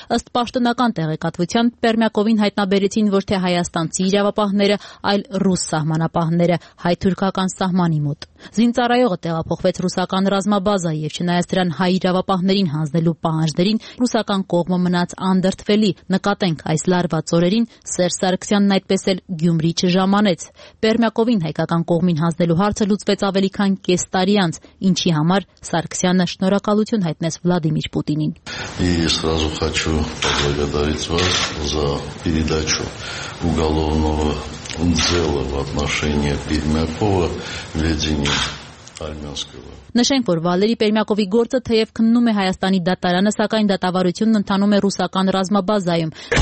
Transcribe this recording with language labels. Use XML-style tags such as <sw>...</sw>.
<hy>ըստ պաշտոնական տեղեկատվության Պերմյակովին հայտնաբերեցին ոչ թե հայաստանցի իրավապահները, այլ ռուս սահմանապահները հայ-թուրքական սահմանի մոտ։ Զինծառայողը տեղափոխվեց ռուսական ռազմաբազա և չնայած դրան հայ իրավապահներին հանձնելու պահանջներին ռուսական կողմը մնաց անդրդվելի, նկատենք այս լարված օրերին Սերժ Սարգսյանն այդպես էլ Գյումրի չժամանեց։ Պերմյակովին հայկական կողմին հանձնելու հարցը լուծվեց ավելի քան կես տարի անց, ինչի համար Սարգսյանը շնորհակալություն հայտնեց Վլադիմիր Պուտինին։ Ես</hy> <ru>сразу хочу поблагодарить вас за передачу уголовного дела в отношении Пермякова ведения армянского.</ru> <hy>Նշենք, որ Վալերի Պերմյակովի գործը թեև քննում է Հայաստանի դատարանը, սակայն դատավարությունն ընդնանում է ռուսական ռազմաբազայում։</hy>